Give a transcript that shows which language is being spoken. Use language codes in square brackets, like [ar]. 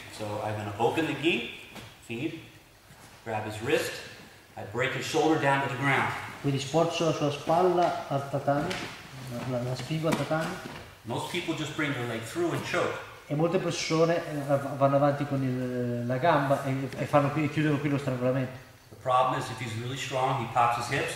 [en] So I'm going to open the gi, feed, grab his wrist, I break his shoulder down to the ground. [it] Quindi sporcio la sua spalla al tatami, la spingo al tatami. [en] Most people just bring their leg through and choke. [it] E molte persone vanno avanti con la gamba e fanno qui, chiudono qui lo strangolamento. [en] The problem is if he's really strong, he pops his hips.